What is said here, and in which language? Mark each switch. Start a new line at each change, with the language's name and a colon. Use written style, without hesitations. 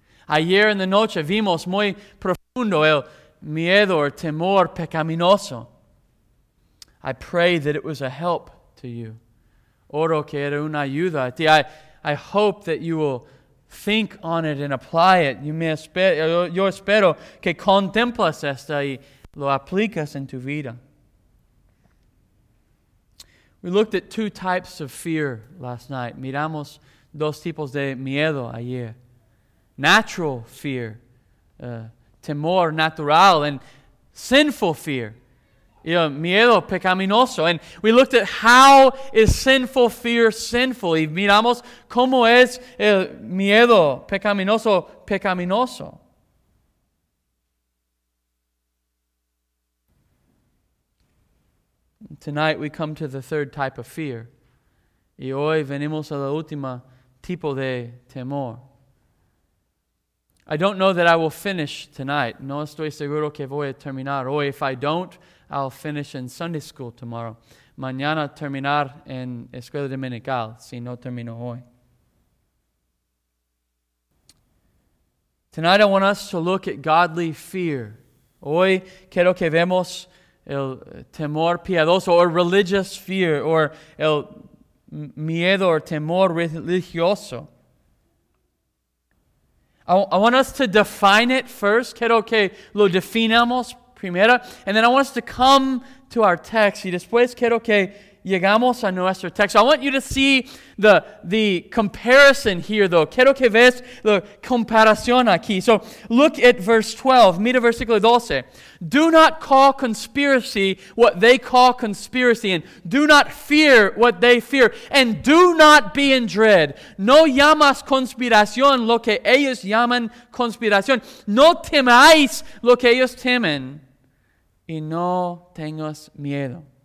Spanish: Ayer en la noche vimos muy profundo el miedo o temor pecaminoso.
English: I pray that it was a help to you.
Spanish: Oro que era una ayuda a ti.
English: I hope that you will think on it and apply it.
Spanish: Yo espero que contemplas esto y lo aplicas en tu vida.
English: We looked at two types of fear last night.
Spanish: Miramos dos tipos de miedo ayer.
English: Natural fear,
Spanish: temor natural,
English: and sinful fear,
Spanish: miedo pecaminoso.
English: And we looked at how is sinful fear sinful.
Spanish: Y miramos cómo es el miedo pecaminoso pecaminoso.
English: Tonight we come to the third type of fear.
Spanish: Y hoy venimos a la última tipo de temor.
English: I don't know that I will finish tonight.
Spanish: No estoy seguro que voy a terminar hoy.
English: If I don't, I'll finish in Sunday school tomorrow.
Spanish: Mañana terminar en escuela dominical si no termino hoy.
English: Tonight I want us to look at godly fear.
Spanish: Hoy quiero que vemos el temor piadoso
English: or religious fear or
Spanish: el miedo or temor religioso.
English: I want us to define it first.
Spanish: Quiero que lo definamos primero.
English: And then I want us to come to our text.
Spanish: Y después quiero que llegamos a nuestro texto.
English: I want you to see the comparison here, though.
Spanish: Quiero que veas la comparación aquí.
English: So look at verse 12.
Spanish: Mira versículo 12.
English: Do not call conspiracy what they call conspiracy, and do not fear what they fear, and do not be in dread.
Spanish: No llamas conspiración lo que ellos llaman conspiración. No temáis lo que ellos temen, y no tengas miedo.